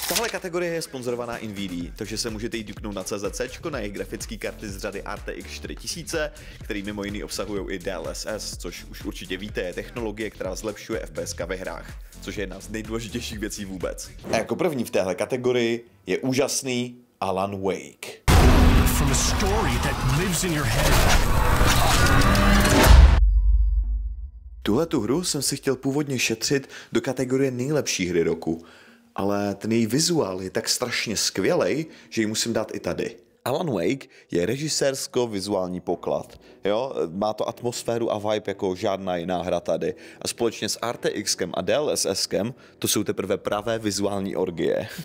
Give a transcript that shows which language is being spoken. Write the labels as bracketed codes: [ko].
[cs] Tahle kategorie je sponzorovaná NVIDIA, takže se můžete jít duknout na CZCčko, na jejich grafické karty z řady RTX 4000, který mimo jiný obsahují i DLSS, což už určitě víte, je technologie, která zlepšuje FPSka ve hrách, což je jedna z nejdůležitějších věcí vůbec. A jako první v téhle kategorii je úžasný Alan Wake. [en] From a story that lives in your head. [cs] Tuhle tu hru jsem si chtěl původně šetřit do kategorie nejlepší hry roku, ale ten její vizuál je tak strašně skvělej, že ji musím dát i tady. Alan Wake je režisérsko-vizuální poklad. Jo? Má to atmosféru a vibe jako žádná jiná hra tady. A společně s RTXkem a DLSSkem to jsou teprve pravé vizuální orgie.